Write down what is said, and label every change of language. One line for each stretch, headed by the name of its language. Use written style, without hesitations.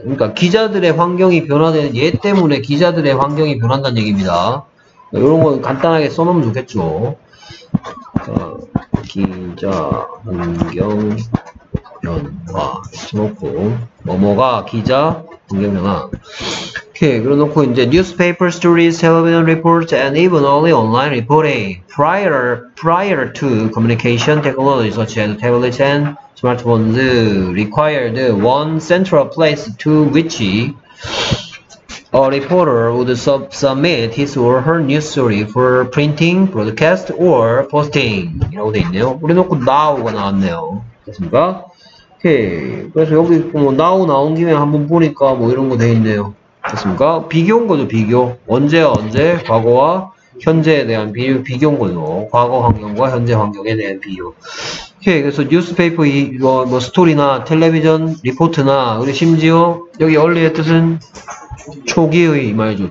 Korean: 그러니까 기자들의 환경이 변화되는 얘 때문에 기자들의 환경이 변한다는 얘기입니다. 이런 건 간단하게 써놓으면 좋겠죠. 기자 환경 변화 써놓고 뭐뭐가 기자 환경 변화. 오케이. 그래놓고 이제
English: newspaper stories, television reports, and even only online reporting prior to communication technologies such as tablets and smartphones required one central place to which a reporter would submit his or her news story for printing, broadcast, or posting.
Korean: 이라고 돼 있네요. 그래놓고 now가 나왔네요. 됐습니까? 오케이. 그래서 여기 뭐 now 나온 김에 한번 보니까 뭐 이런 거돼 있네요. 됐습니까? 비교인 거죠, 비교. 언제와 언제, 과거와 현재에 대한 비교, 비교인 거죠. 과거 환경과 현재 환경에 대한 비교. 오케이, 그래서 뉴스페이퍼, 뭐 스토리나 텔레비전 리포트나, 그리고 심지어 여기 얼리의 뜻은 초기의 말이죠.